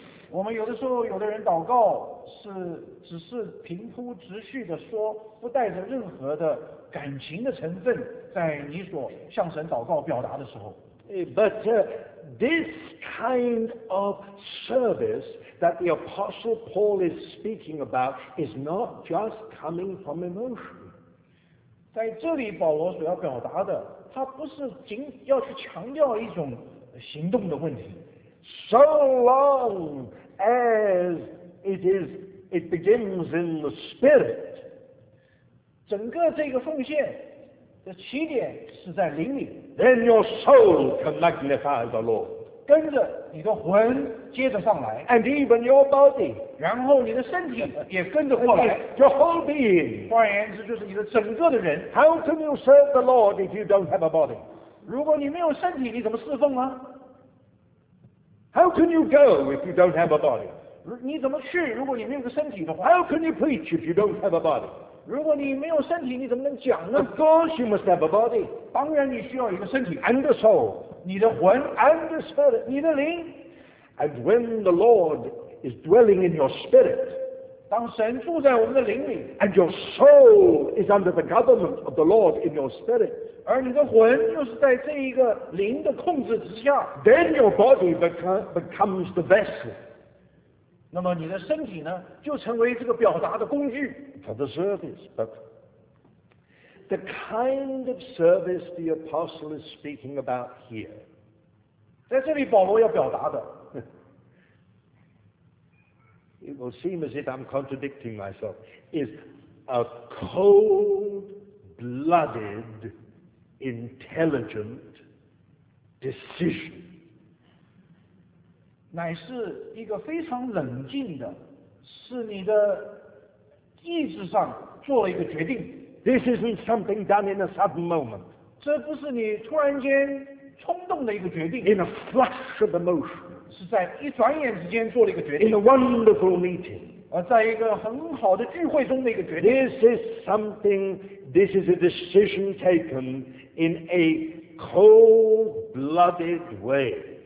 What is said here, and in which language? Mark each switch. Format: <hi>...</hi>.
<zh>我们有的时候有的人祷告是只是平铺直叙的说，不带着任何的感情的成分，在你所向神祷告表达的时候。</zh> <en>But this kind of service that the Apostle Paul is speaking about is not just coming from emotion.</en> <zh>在这里保罗所要表达的，他不是仅要去强调一种行动的问题。</zh> <en>So long as it begins in the spirit,</en> <zh>整个这个奉献的起点是在灵里。</zh> <en>Then your soul can magnify the Lord.</en> <zh>跟着你的魂接着上来。</zh> <en>And even your body.</en> <zh>然后你的身体也跟着过来。</zh> <en>Your whole being.</en> <zh>换言之就是你的整个的人。</zh> <en>How can you serve the Lord if you don't have a body?</en> <zh>如果你没有身体，你怎么侍奉啊？</zh> <en>How can you go if you don't have a body?</en> <zh>你怎么去如果你没有个身体的话？</zh> <en>How can you preach if you don't have a body?</en> <zh>如果你没有身体，你怎么能讲呢？</zh> <en>Of course you must have a body.</en> <zh>当然你需要一个身体。</zh> <en>And a soul.</en> <zh>你的魂。</zh> <en>And the spirit.</en> <zh>你的灵。</zh> <en>And when the Lord is dwelling in your spirit,</en> <zh>当神住在我们的灵里。</zh> <en>And your soul is under the government of the Lord in your spirit.</en> <zh>而你的魂就是在这一个灵的控制之下。</zh> <en>Then your body becomes the vessel.</en> <zh>那么你的身体呢，就成为这个表达的工具。</zh> <en>For the service, but the kind of service the apostle is speaking about here.</en> <zh>在这里保罗要表达的。</zh> <en>It will seem as if I'm contradicting myself. Is a cold-blooded. Intelligent decision.</en> <zh>乃是一个非常冷静的，是你的意志上做了一个决定。</zh> <en>This isn't something done in a sudden moment.</en> <zh>这不是你突然间冲动的一个决定。</zh> <en>In a flash of emotion.</en> <zh>是在一转眼之间做了一个决定。</zh> <en>In a wonderful meeting.</en> <zh>而在一个很好的聚会中的一个决定。</zh> <en>This is a decision taken in a cold-blooded way.</en>